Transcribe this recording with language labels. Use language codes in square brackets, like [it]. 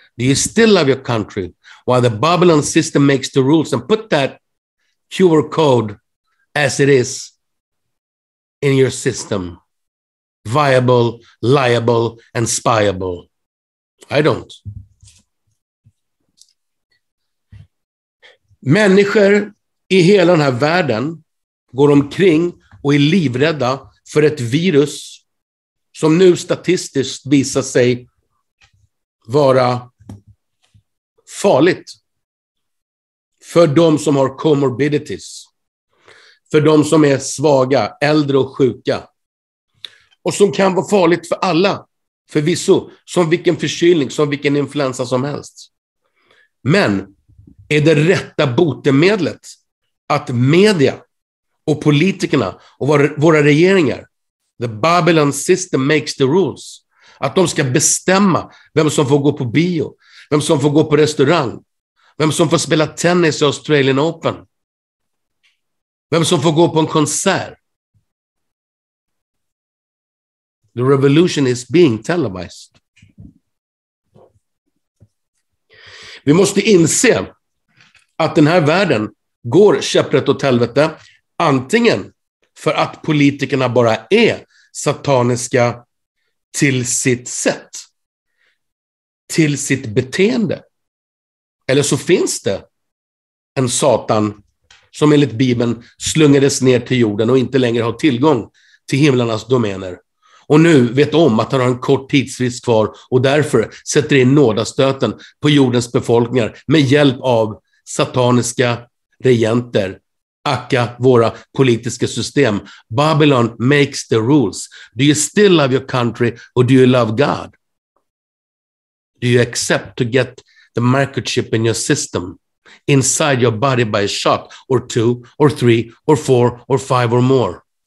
[en] Do you still love your country? While the Babylon system makes the rules and put that QR code as it is in your system. Viable, liable and spiable. I don't. [sv] Människor i hela den här världen går omkring och är livrädda för ett virus som nu statistiskt visar sig vara farligt för de som har comorbidities, för de som är svaga, äldre och sjuka, och som kan vara farligt för alla, förvisso, som vilken förkylning, som vilken influensa som helst. Men är det rätta botemedlet att media och politikerna och våra regeringar, [en] the Babylon system makes the rules, [sv] att de ska bestämma vem som får gå på bio, vem som får gå på restaurang, vem som får spela tennis i Australian Open, vem som får gå på en konsert. [en] The revolution is being televised. [sv] Vi måste inse att den här världen går käpprätt åt helvete, antingen för att politikerna bara är sataniska till sitt sätt, till sitt beteende. Eller så finns det en satan som enligt Bibeln slungades ner till jorden och inte längre har tillgång till himlarnas domäner. Och nu vet om att han har en kort tidsfrist kvar och därför sätter in nådastöten på jordens befolkningar med hjälp av sataniska regenter, aka våra politiska system. [en] Babylon makes the rules. Do you still love your country or do you love God? Do you accept to get the microchip in your system, inside your body by a shot, or two, or three, or four, or five, or more?